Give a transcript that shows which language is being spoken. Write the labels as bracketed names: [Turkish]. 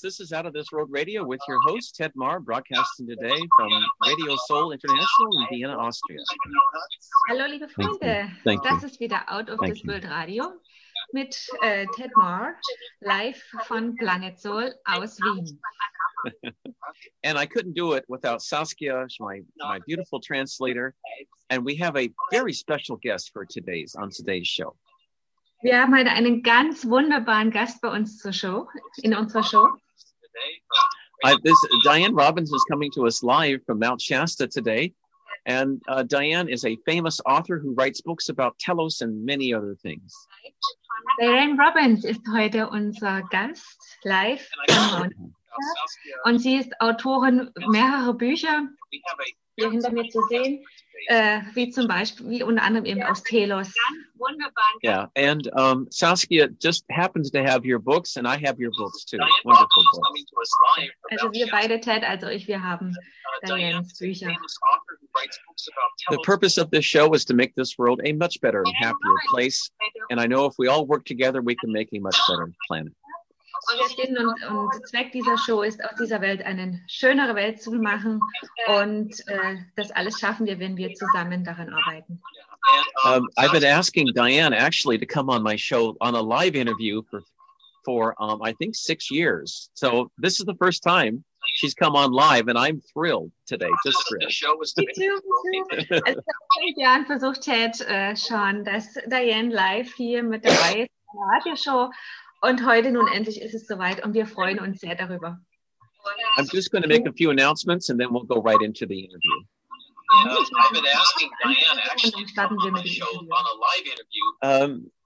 [English] this is Out of This World Radio with your host, Ted Marr, broadcasting today from Radio Soul International in Vienna, Austria. [German] Hallo, liebe Freunde. [English] Thank you. [German] Das ist wieder Out of This World Radio. Mit Ted Marr, live von Planet Soul aus Wien. [English] And I couldn't do it without Saskia, my beautiful translator. And we have a very special guest on today's show. [German] Wir haben heute einen ganz wunderbaren Gast bei uns in unserer Show. [English] This Diane Robbins is coming to us live from Mount Shasta today. And Diane is a famous author who writes books about Telos and many other things. [German] Diane Robbins ist heute unser Gast live von Mount Shasta. Und sie ist Autorin mehrerer Bücher, hier hinter mir zu sehen, wie unter anderem eben aus Telos. [English] Yeah, and Saskia just happens to have your books and I have your books too. Wonderful books. [German] Also wir beide, Ted, also ich, wir haben Dianes Bücher. [English] The purpose of this show is to make this world a much better and happier place. And I know if we all work together, we can make a much better planet. [German] Und der Zweck dieser Show ist, aus dieser Welt eine schönere Welt zu machen. Und das alles schaffen wir, wenn wir zusammen daran arbeiten. [English] I've been asking Diane actually to come on my show on a live interview for I think 6 years. So this is the first time she's come on live, and I'm thrilled today. Just thrilled. Me too. [German] Also, ich habe versucht, Ted, schon, dass Diane live hier mit dabei ist in der Radioshow. Und heute nun endlich ist es soweit, und wir freuen uns sehr darüber. [English] I'm just going to make a few announcements, and then we'll go right into the interview.